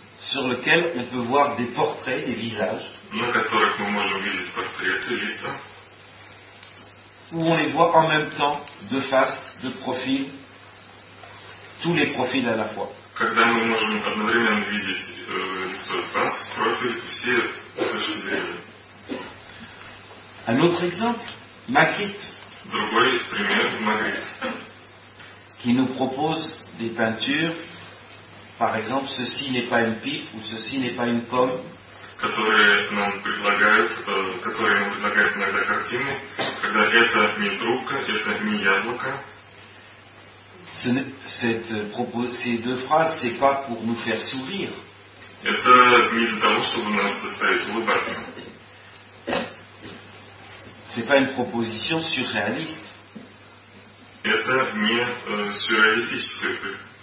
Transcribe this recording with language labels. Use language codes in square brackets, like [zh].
[fr] Sur lequel on peut voir des portraits, des visages. [ru] На которых мы можем видеть портреты, лица. [fr] Où on les voit en même temps, de face, de profil, tous les profils à la fois. [ru] когда мы можем одновременно видеть лицо и вас, профиль, все наши зрения. [fr] Un autre exemple, Magritte. [ru] Другой пример, Магритт. [fr] Qui nous propose des peintures, par exemple, ceci n'est pas une pipe ou ceci n'est pas une pomme. [ru] Которые нам предлагают иногда картины, когда это не трубка, это не яблоко. [fr] Ces deux phrases, c'est pas pour nous faire sourire. [ru] Это не для того, чтобы нас заставить улыбаться. [fr] C'est pas une proposition surréaliste. [ru] Это не сюрреалистическое